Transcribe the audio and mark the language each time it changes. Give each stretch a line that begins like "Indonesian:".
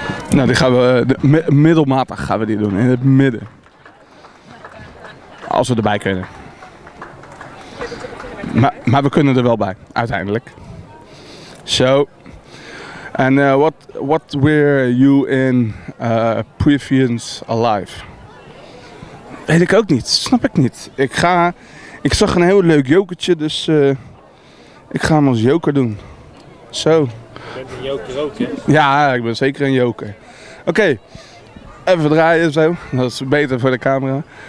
Dutch: Nou, die gaan we middelmatig gaan we die doen. In het midden. Als we erbij kunnen. Maar we kunnen er wel bij, uiteindelijk. Zo.
English: And what were you in previous life?
Dutch: Weet ik ook niet, snap ik niet. Ik zag een heel leuk jokertje, dus ik ga hem als joker doen. Zo. Je bent een joker ook, hè? Ja, ik ben zeker een joker. Oké. Even draaien zo, dat is beter voor de camera.